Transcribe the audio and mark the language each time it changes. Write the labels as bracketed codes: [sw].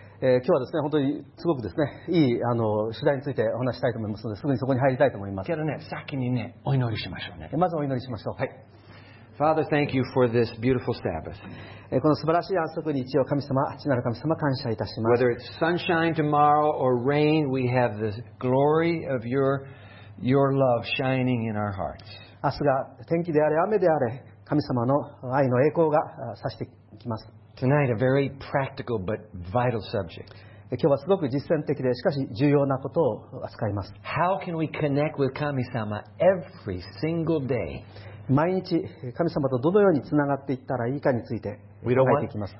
[ja] 今日はですね、本当にすごくですね、いいあの主題についてお話したいと思いますので、すぐにそこに入りたいと思います。けどね、先にね、お祈りしましょうね。まずお祈りしましょう。はい。 [en] Father, thank you for this beautiful Sabbath. [ja] この素晴らしい安息日を神様、父なる神様、感謝いたします。 [en] Whether it's sunshine tomorrow or rain, we have the glory of your love shining in our hearts. [ja] 明日が天気であれ、雨であれ、神様の愛の栄光が差してきます。 [en] Tonight, a very practical but vital subject. [ja] 今日はすごく実践的で、しかし重要なことを扱います。 [en] How can we connect with 神様 every single day? [ja] 毎日神様とどのようにつながっていったらいいかについて考えていきます。